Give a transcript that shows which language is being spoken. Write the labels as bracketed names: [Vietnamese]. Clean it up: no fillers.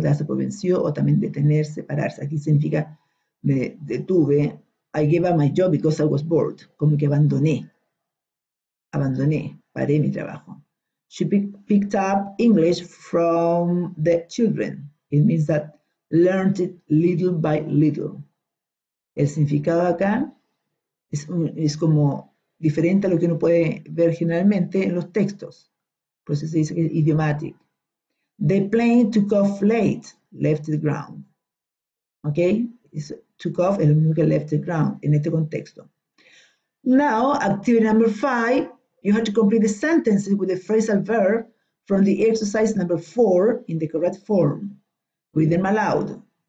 [Spanish] Darse por vencido o también detenerse, pararse. Aquí significa me detuve. [English] I gave up my job because I was bored. [Spanish] Como que abandoné. Abandoné. Paré mi trabajo. [English] She picked up English from the children. It means that learned it little by little. [Spanish] El significado acá es como diferente a lo que uno puede ver generalmente en los textos. Por eso se dice que es idiomatic. [English] The plane took off late, left the ground. Okay? It's took off, [Spanish] el mismo que [English] left the ground, [Spanish] en este contexto. [English] Now, activity number 5, you have to complete the sentences with the phrasal verb from the exercise number 4 in the correct form. Read them aloud.